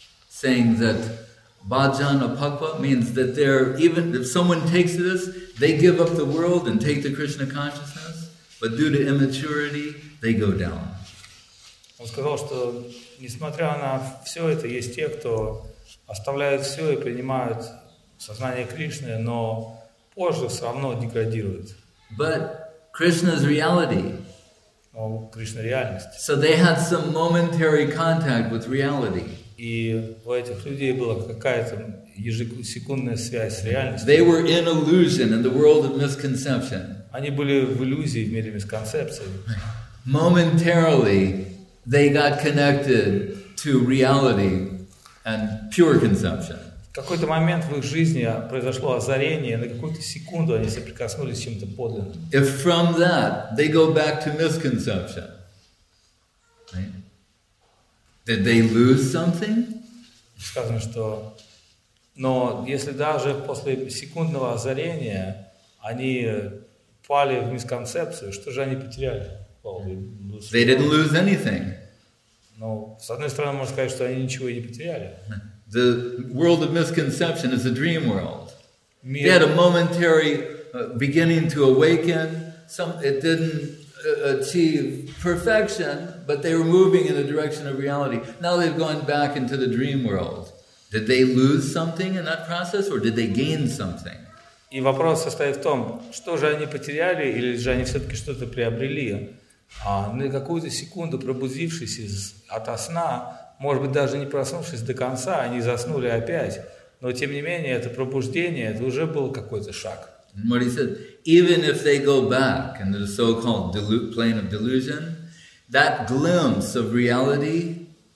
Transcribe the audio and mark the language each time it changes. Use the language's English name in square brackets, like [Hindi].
[English] Saying that баджан апаква means that they're, even if someone takes this, they give up the world and take the Krishna consciousness. But due to immaturity, they go down. [Russian] Он сказал, что несмотря на все это, есть те, кто оставляют все и принимают сознание Кришны, но позже все равно деградируют. [English] But Krishna's reality. [Russian] Но Кришна реальность. [English] So they had some momentary contact with reality. [Russian] И у этих людей была какая-то ежесекундная связь с реальностью. [English] They were in illusion in the world of misconception. [Russian] Они были в иллюзии в мире мисконцепции. [English] Momentarily they got connected to reality and pure conception. [Russian] В какой-то момент в их жизни произошло озарение, на какую-то секунду они соприкоснулись с чем-то подлинным. [English] If from that they go back to misconception, right? Did they lose something? [Russian] Сказано, что но если даже после секундного озарения они впали в мисконцепцию, что же они потеряли? [English] They didn't lose anything. [Russian] Но, с одной стороны, можно сказать, что они ничего и не потеряли. [English] The world of misconception is a dream world. They had a momentary beginning to awaken. It didn't achieve perfection, but they were moving in the direction of reality. Now they've gone back into the dream world. Did they lose something in that process, or did they gain something? [Russian] И вопрос состоит в том, что же они потеряли или же они все-таки что-то приобрели. А на какую-то секунду, пробудившись ото сна, может быть, даже не проснувшись до конца, они заснули опять. Но, тем не менее, это пробуждение, это уже был какой-то шаг. [English] What he said, even if they go back into the so-called plane of delusion, that glimpse of reality